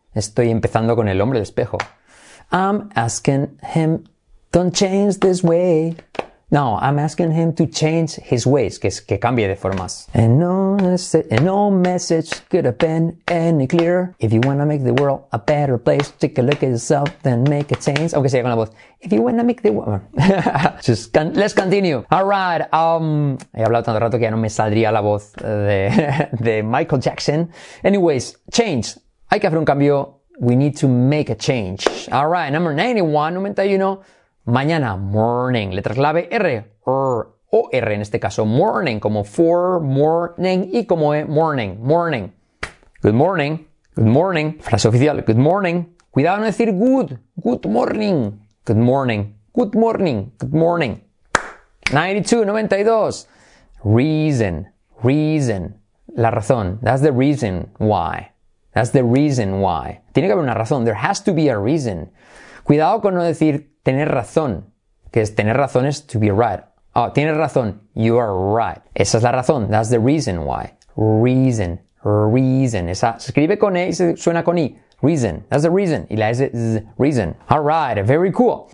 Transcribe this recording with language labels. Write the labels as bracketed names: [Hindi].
[Spanish] Estoy empezando con el hombre del espejo. [English] I'm asking him, don't change this way. No, I'm asking him to change his ways, [Spanish] que es que cambie de formas. [English] And no message could have been any clearer. If you wanna make the world a better place, take a look at yourself, then make a change. [Spanish] Aunque sea con la voz. [English] If you wanna make the world... let's continue. [Spanish] Alright, he hablado tanto rato que ya no me saldría la voz de Michael Jackson. [English] Anyways, change. [Spanish] Hay que hacer un cambio. [English] We need to make a change. Alright, number 91, 91. [Spanish] Mañana, morning, letra clave R, o R en este caso, morning, como for, morning, y como es morning, morning. [English] Good morning, good morning, [Spanish] frase oficial, [English] good morning. [Spanish] Cuidado no decir [English] good, good morning, good morning, good morning, good morning. 92, 92, reason, reason, [Spanish] la razón, [English] that's the reason why, that's the reason why. [Spanish] Tiene que haber una razón, [English] there has to be a reason. [Spanish] Cuidado con no decir tener razón, que es tener razón es [English] to be right. Oh, [Spanish] tienes razón, [English] you are right. [Spanish] Esa es la razón, [English] that's the reason why. Reason, reason. [Spanish] Esa se escribe con E y se suena con I. [English] Reason, that's the reason. [Spanish] Y la S es [English] reason. All right, very cool.